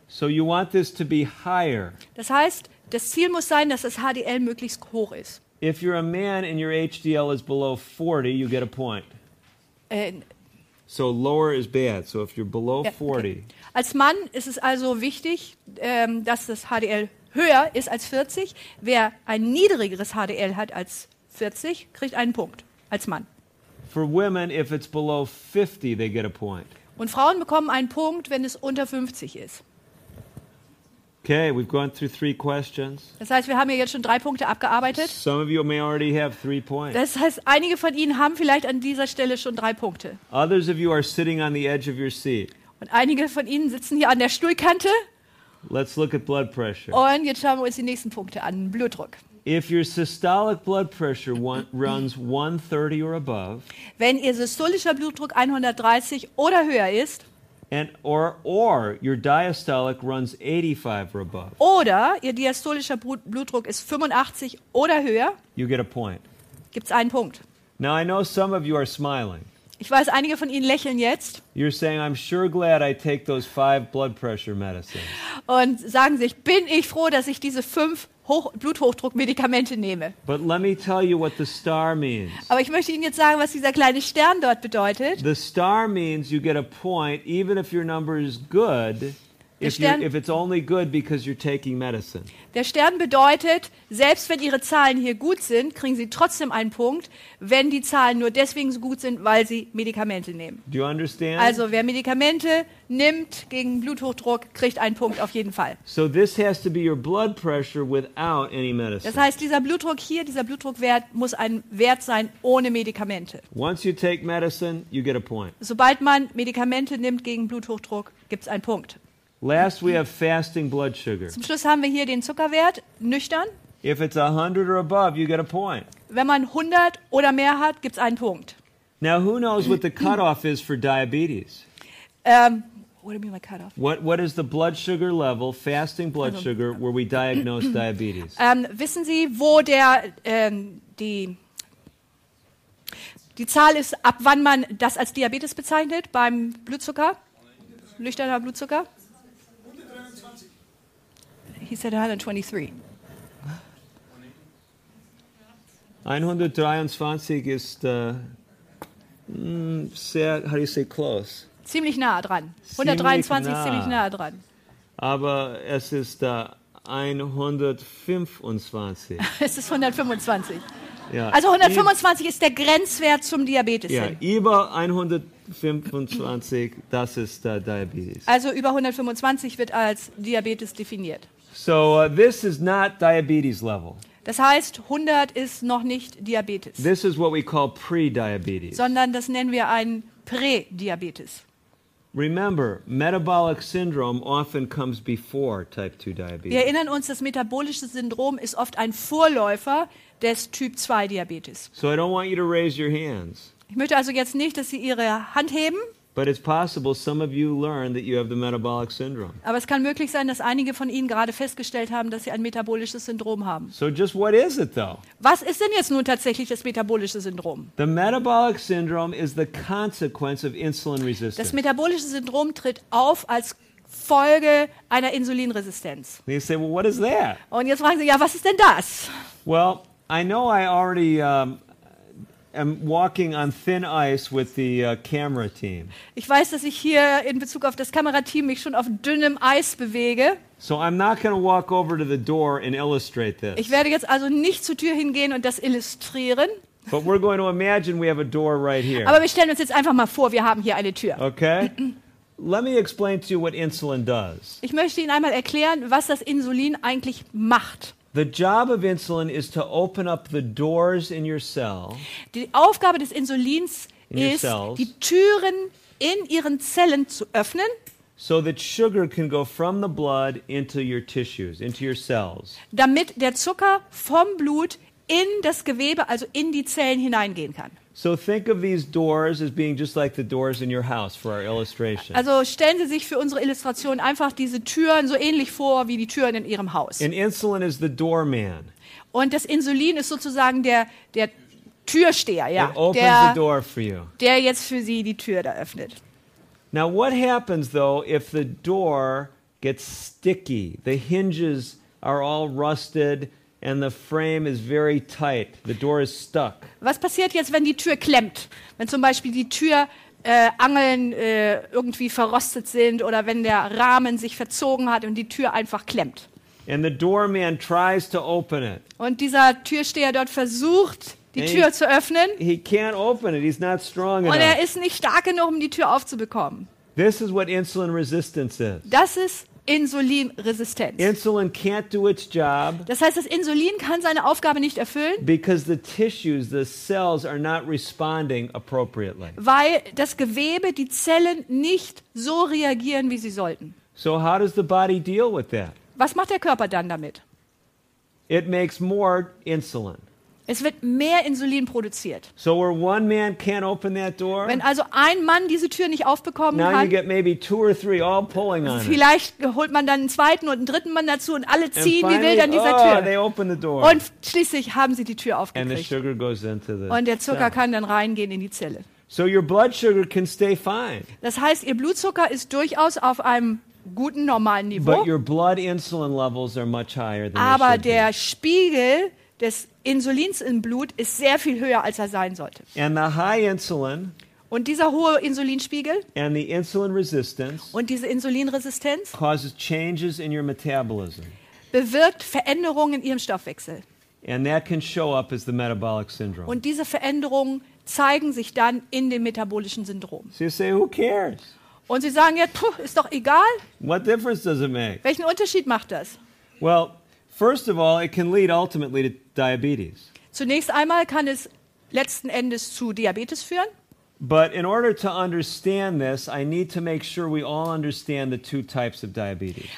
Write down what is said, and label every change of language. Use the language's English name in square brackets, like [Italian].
[English] So you want this to be higher. [German] Das heißt, das Ziel muss sein, dass das HDL möglichst hoch ist. [English] If you're a man and your HDL is below 40, you get a point. So lower is bad. So if you're below 40. [German] Als Mann ist es also wichtig, dass das HDL höher ist als 40. Wer ein niedrigeres HDL hat als 40, kriegt einen Punkt als Mann. [English] For women, if it's below 50, they get a point. [German] Und Frauen bekommen einen Punkt, wenn es unter 50 ist. [English] Okay, we've gone through 3 questions. [German] Das heißt, wir haben ja jetzt schon 3 Punkte abgearbeitet. [English] Some of you may already have 3 points. [German] Das heißt, einige von Ihnen haben vielleicht an dieser Stelle schon 3 Punkte. [English] Others of you are sitting on the edge of your seat. [German] Und einige von Ihnen sitzen hier an der Stuhlkante. [English] Let's look at blood pressure. [German] Und jetzt schauen wir uns die nächsten Punkte an, Blutdruck. [English] If your systolic blood pressure runs 130 or above. [German] Wenn Ihr systolischer Blutdruck 130 oder höher ist. [English] And or your diastolic runs 85 or above. [German] Oder Ihr diastolischer Blutdruck ist 85 oder höher. [English] You get a point. [German] Gibt's einen Punkt. [English] Now I know some of you are smiling. [German] Ich weiß, einige von Ihnen lächeln jetzt. [English] You're saying, I'm sure glad I take those 5 blood pressure medicines. [German] Und sagen sich, bin ich froh, dass ich diese 5 Bluthochdruckmedikamente nehme. [English] But let me tell you what the star means. [German] Aber ich möchte Ihnen jetzt sagen, was dieser kleine Stern dort bedeutet. [English] The star means you get a point, even if your number is good, if it's only good because you're taking medicine. [German] Der Stern bedeutet, selbst wenn Ihre Zahlen hier gut sind, kriegen Sie trotzdem einen Punkt, wenn die Zahlen nur deswegen so gut sind, weil Sie Medikamente nehmen. [English] Do you understand? [German] Also wer Medikamente nimmt gegen Bluthochdruck, kriegt einen Punkt auf jeden Fall. [English] So this has to be your blood pressure without any medicine. [German] Das heißt, dieser Blutdruck hier, dieser Blutdruckwert muss ein Wert sein ohne Medikamente. [English] Once you take medicine, you get a point. [German] Sobald man Medikamente nimmt gegen Bluthochdruck, gibt's einen Punkt. [English] Last we have fasting blood sugar. [German] Zum Schluss haben wir hier den Zuckerwert nüchtern. [English] If it's 100 or above, you get a point. [German] Wenn man 100 oder mehr hat, gibt's einen Punkt. [English] Now who knows what the cutoff is for diabetes? What do you mean by cutoff? What is the blood sugar level, fasting blood sugar, where we diagnose diabetes? [German] Wissen Sie, wo der die Zahl ist, ab wann man das als Diabetes bezeichnet beim Blutzucker, nüchterner Blutzucker? [English] He said 123. [German] 123 ist sehr, [English] how do you say, close. [German] Ziemlich nah dran. 123 ziemlich nah dran. Aber es ist da 125. Es ist 125. Ja, also 125 ist der Grenzwert zum Diabetes. Ja, über 125, das ist der Diabetes. Also über 125 wird als Diabetes definiert. [English] So this is not diabetes level. [German] Das heißt, 100 ist noch nicht Diabetes. [English] This is what we call pre-diabetes. [German] Sondern das nennen wir ein Prädiabetes. [English] Remember, metabolic syndrome often comes before type 2 diabetes. [German] Wir erinnern uns, das metabolische Syndrom ist oft ein Vorläufer des Typ 2 Diabetes. [English] So I don't want you to raise your hands. [German] Ich möchte also jetzt nicht, dass Sie Ihre Hand heben. [English] But it's possible some of you learn that you have the metabolic syndrome. [German] Aber es kann möglich sein, dass einige von Ihnen gerade festgestellt haben, dass Sie ein metabolisches Syndrom haben. [English] So just what is it though? [German] Was ist denn jetzt nun tatsächlich das metabolische Syndrom? [English] The metabolic syndrome is the consequence of insulin resistance. [German] Das metabolische Syndrom tritt auf als Folge einer Insulinresistenz. [English] You say, well, what is that? [German] Und jetzt fragen Sie, ja, was ist denn das? [English] Well, I know I already I'm walking on thin ice with the camera team. [German] Ich weiß, dass ich hier in Bezug auf das Kamerateam mich schon auf dünnem Eis bewege. [English] So I'm not going to walk over to the door and illustrate this. [German] Ich werde jetzt also nicht zur Tür hingehen und das illustrieren. [English] But we're going to imagine we have a door right here. [German] Aber wir stellen uns jetzt einfach mal vor, wir haben hier eine Tür. [English] Okay? Let me explain to you what insulin does. [German] Ich möchte Ihnen einmal erklären, was das Insulin eigentlich macht. [English] The job of insulin is to open up the doors in your cell. [German] Die Aufgabe des Insulins ist, die Türen in ihren Zellen zu öffnen. [English] So that sugar can go from the blood into your tissues, into your cells. [German] Damit der Zucker vom Blut in das Gewebe, also in die Zellen hineingehen kann. [English] So think of these doors as being just like the doors in your house for our illustration. [German] Also stellen Sie sich für unsere Illustration einfach diese Türen so ähnlich vor wie die Türen in Ihrem Haus. [English] And insulin is the doorman. [German] Und das Insulin ist sozusagen der Türsteher, ja. [English] It opens the door for you. [German] Der jetzt für Sie die Tür da öffnet. [English] Now what happens though if the door gets sticky? The hinges are all rusted. And the frame is very tight. The door is stuck. [German] Was passiert jetzt, wenn die Tür klemmt? Wenn zum Beispiel die Türangeln irgendwie verrostet sind oder wenn der Rahmen sich verzogen hat und die Tür einfach klemmt. [English] And the doorman tries to open it. [German] Und dieser Türsteher dort versucht, die Tür zu öffnen. [English] He can't open it. He's not strong enough. [German] Und er ist nicht stark genug, um die Tür aufzubekommen. [English] This is what insulin resistance is. [German] Das ist Insulinresistenz. [English] Insulin can't do its job. [German] Das heißt, das Insulin kann seine Aufgabe nicht erfüllen. [English] Because the tissues, the cells are not responding appropriately. [German] Weil das Gewebe, die Zellen nicht so reagieren, wie sie sollten. [English] So how does the body deal with that? [German] Was macht der Körper dann damit? [English] It makes more insulin. [German] Es wird mehr Insulin produziert. [English] So where one man can't open that door, [German] wenn also ein Mann diese Tür nicht aufbekommen [English] now [German] kann, [English] you get maybe two or three all pulling on [German] vielleicht [English] it. [German] Holt man dann einen zweiten und einen dritten Mann dazu und alle ziehen [English] and [German] wie [English] finally, [German] wild an dieser oh, Tür. [English] They open the door. [German] Und schließlich haben sie die Tür aufgekriegt. [English] And the sugar goes into the [German] und der Zucker [English] cell. [German] Kann dann reingehen in die Zelle. [English] So your blood sugar can stay fine. [German] Das heißt, Ihr Blutzucker ist durchaus auf einem guten, normalen Niveau. [English] But your blood insulin levels are much higher than [German] aber [English] it should [German] der [English] be. [German] Spiegel des Insulins im Blut ist sehr viel höher, als er sein sollte. [English] And the high insulin [German] und dieser hohe Insulinspiegel [English] and the insulin resistance [German] und diese Insulinresistenz [English] causes changes in your metabolism. [German] Bewirkt Veränderungen in Ihrem Stoffwechsel. [English] And that can show up as the metabolic syndrome. [German] Und diese Veränderungen zeigen sich dann in dem metabolischen Syndrom. [English] So you say, who cares? [German] Und Sie sagen jetzt, ja, ist doch egal. [English] What difference does it make? [German] Welchen Unterschied macht das? [English] Well, first of all, it can lead ultimately to diabetes. [German] Zunächst einmal kann es letzten Endes zu Diabetes führen. [English] But in order to understand this, I need to make sure we all understand the two types of diabetes.